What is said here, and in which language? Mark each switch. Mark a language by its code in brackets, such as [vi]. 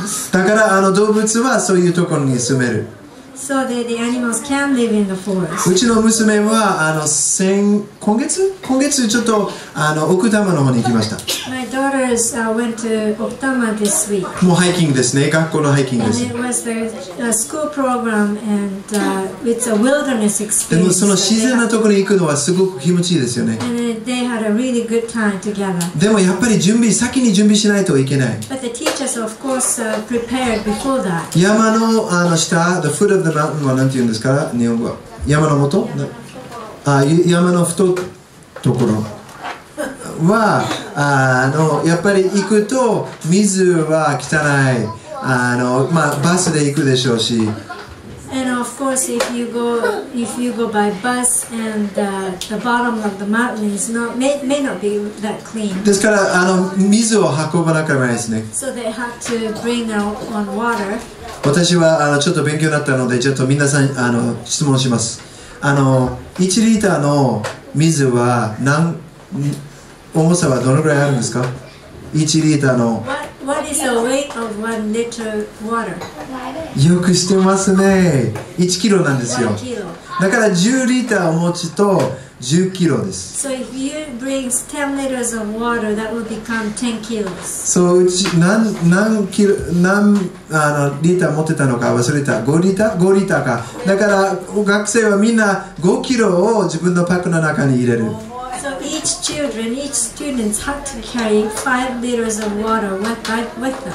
[ja] だから動物はそういうところに住める。 [en] So the animals can live in the forest. [ja] うちの娘は今月ちょっと奥多摩の方に行きました。 [en] My daughters went to Oktama this week. [ja] もうハイキングですね。学校のハイキングです。 [en] And it was the school program and it's a wilderness experience. [ja] でもその自然なところに行くのはすごく気持ちいいですよね。 [en] And they had a really good time together. [ja] でもやっぱり準備、先に準備しないといけない。 [en] But the teachers of course prepared before that. [ja] 山の、あの下、 [en] the foot of the mountain [ja] はなんて言うんですか？日本語。山の元？山のふとところはあのやっぱり行くと水は汚い、あの、まあ、バスで行くでしょうし。 [en] And of course, if you go by bus and the bottom of the mountain is not may not be that clean. [ja] ですからあの水を運ばなきゃいけないですね。 [en] So they had to bring on water. [ja] 私はあのちょっと勉強になったのでちょっと皆さんあの質問します。あの1リターの水は何重さはどのぐらいあるんですか？1リターの [en] What is the weight of 1 liter water? [ja] よく知ってますね。1キロなんですよ。だから10リターお持ちと10キロです。 [en] So if you bring 10 liters of water, that will become 10 kilos. [ja] そう、うち何キロ、何あのリター持ってたのか忘れた。 5リター？5リターか。だから学生はみんな5キロを自分のパックの中に入れる。 [en] So each children, each student had to carry 5 liters of water with them.